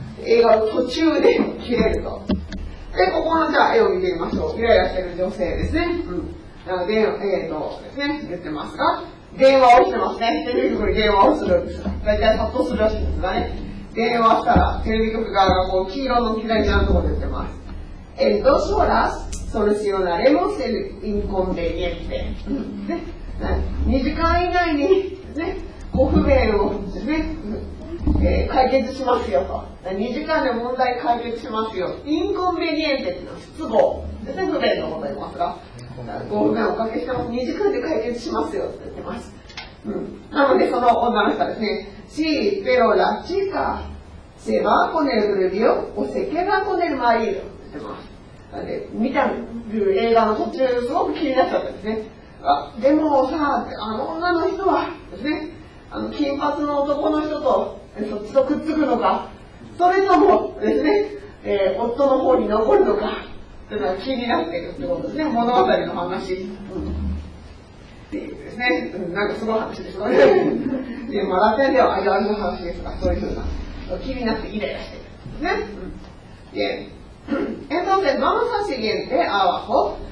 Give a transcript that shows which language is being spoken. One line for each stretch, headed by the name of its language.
Japanese: 映画の途中で切れると。で、ここのじゃあ絵を見てみましょう。イライラしてる女性ですね。うん。で、ですね、言ってますが、電話をしてますね。テレビ局に電話をするんです。大体殺到するらしいんですがね。電話したら、テレビ局側がこう黄色の左側のところで言ってます。
Spanish: En dos horas solucionaremos el inconveniente.
Japanese: 2時間以内に、ね、ご不便を、ね、解決しますよと。 2時間で問題解決しますよ。インコンベニエンテというのは失望。不便のことを言いますが、ご不便をおかけしても2時間で解決しますよと言ってます。うん、なので、その女の人はですね、
Spanish: Sí, pero la chica se va con el rubio o se queda con el marido.
Japanese: で見たる映画の途中すごく気になっちゃったんですね。あでもさあの女の人はですね、あの金髪の男の人とそっちとくっつくのか、それともですね、夫の方に残るのか、ただ気になってるってことですね、物語の話。ですね、なんかすごい話でしょ、ね、マラペンではアジアの話ですが、そういうふうな気になってイライラしてるね。
Spanish: で、entonces vamos al siguiente abajo。